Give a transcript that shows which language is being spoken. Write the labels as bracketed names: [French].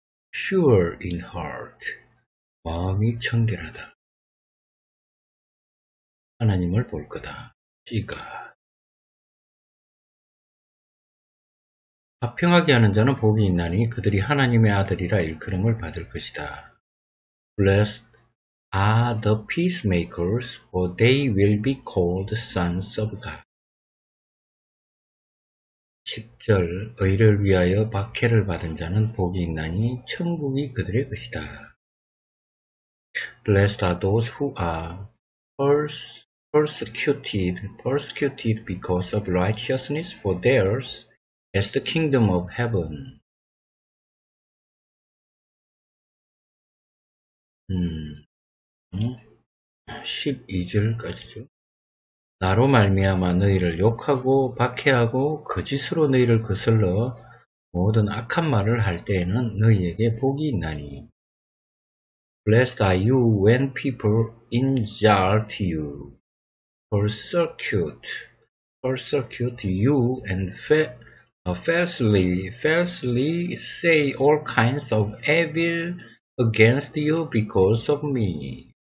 [English] Pure in heart. [Korean] 마음이 청결하다. 하나님을 볼 거다. [English] See God. [Korean] 화평하게 하는 자는 복이 있나니 그들이 하나님의 아들이라 일컬음을 받을 것이다. [English] Blessed are the peacemakers, for they will be called sons of God. [Korean] 10절, 의를 위하여 박해를 받은 자는 복이 있나니 천국이 그들의 것이다. [English] Blessed are those who are persecuted because of righteousness, for theirs As the kingdom of heaven. [Korean] 12절까지죠. 나로 말미암아 너희를 욕하고 박해하고 거짓으로 너희를 거슬러 모든 악한 말을 할 때에는 너희에게 복이 있나니. [English] Blessed are you when people insult you, persecute you and falsely say all kinds of evil against you because of me.